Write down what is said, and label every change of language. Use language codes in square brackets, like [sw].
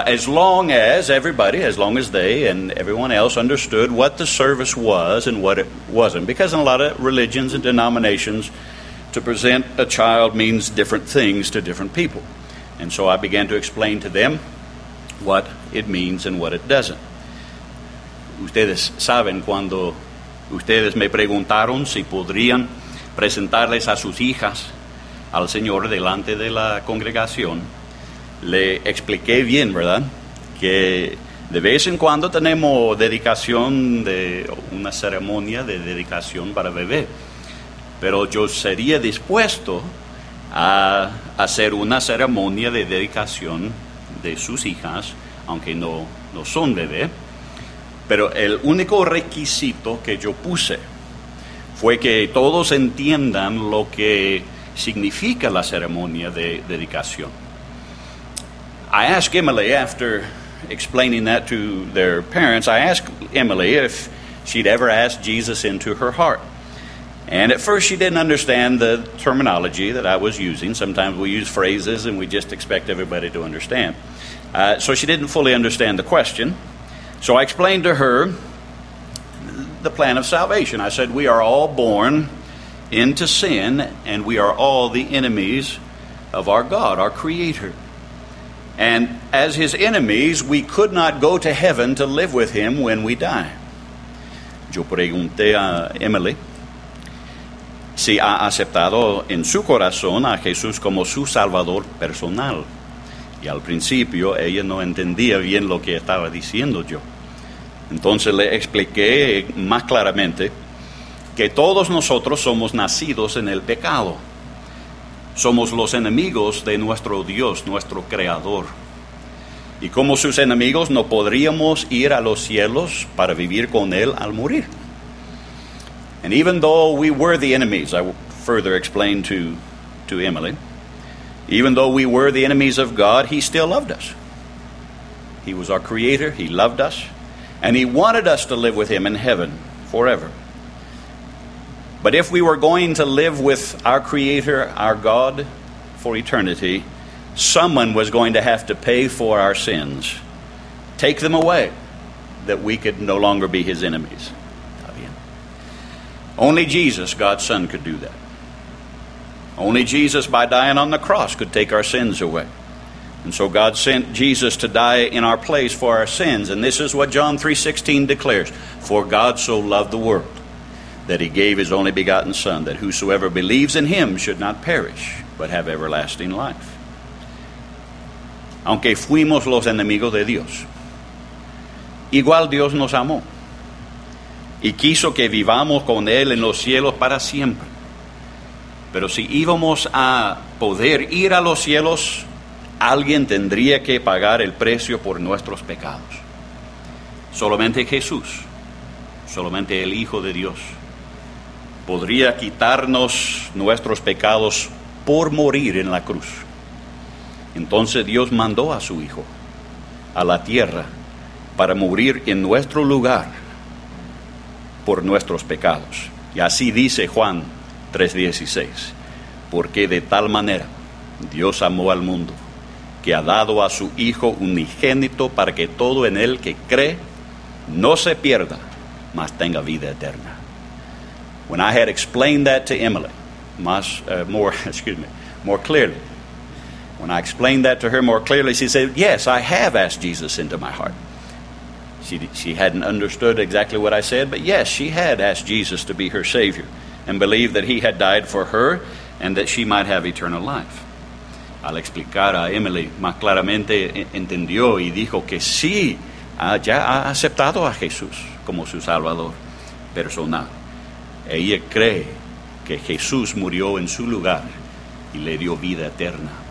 [en] As long as they and everyone else understood what the service was and what it wasn't. Because in a lot of religions and denominations, to present a child means different things to different people. And so I began to explain to them what it means and what it doesn't. [es] Ustedes saben cuando ustedes me preguntaron si podrían presentarles a sus hijas al Señor delante de la congregación. Le expliqué bien, ¿verdad?, que de vez en cuando tenemos dedicación de una ceremonia de dedicación para bebé. Pero yo sería dispuesto a hacer una ceremonia de dedicación de sus hijas, aunque no son bebé. Pero el único requisito que yo puse fue que todos entiendan lo que significa la ceremonia de dedicación. [en] I asked Emily, after explaining that to their parents, I asked Emily if she'd ever asked Jesus into her heart. And at first she didn't understand the terminology that I was using. Sometimes we use phrases and we just expect everybody to understand. So she didn't fully understand the question. So I explained to her the plan of salvation. I said, we are all born into sin and we are all the enemies of our God, our Creator. And as his enemies, we could not go to heaven to live with him when we die. [es] Yo pregunté a Emily si ha aceptado en su corazón a Jesús como su salvador personal. Y al principio ella no entendía bien lo que estaba diciendo yo. Entonces le expliqué más claramente que todos nosotros somos nacidos en el pecado. Somos los enemigos de nuestro Dios, nuestro Creador. Y como sus enemigos, no podríamos ir a los cielos para vivir con Él al morir. [en] And even though we were the enemies, I will further explain to Emily, even though we were the enemies of God, He still loved us. He was our Creator, He loved us, and He wanted us to live with Him in heaven forever. But if we were going to live with our Creator, our God, for eternity, someone was going to have to pay for our sins, take them away, that we could no longer be His enemies. Only Jesus, God's Son, could do that. Only Jesus, by dying on the cross, could take our sins away. And so God sent Jesus to die in our place for our sins. And this is what John 3:16 declares, for God so loved the world that he gave his only begotten Son, that whosoever believes in him should not perish, but have everlasting life. [es] Aunque fuimos los enemigos de Dios, igual Dios nos amó, y quiso que vivamos con él en los cielos para siempre. Pero si íbamos a poder ir a los cielos, alguien tendría que pagar el precio por nuestros pecados. Solamente Jesús solamente el Hijo de Dios, podría quitarnos nuestros pecados por morir en la cruz. Entonces Dios mandó a su Hijo a la tierra para morir en nuestro lugar por nuestros pecados. Y así dice Juan 3:16, porque de tal manera Dios amó al mundo, que ha dado a su Hijo unigénito para que todo en él que cree no se pierda, mas tenga vida eterna. [en] When I had explained that to Emily, more clearly, when I explained that to her more clearly, she said, yes, I have asked Jesus into my heart. She hadn't understood exactly what I said, but yes, she had asked Jesus to be her Savior and believed that he had died for her and that she might have eternal life. [es] Al explicar a Emily, más claramente entendió y dijo que sí, ya ha aceptado a Jesús como su Salvador personal. Ella cree que Jesús murió en su lugar y le dio vida eterna.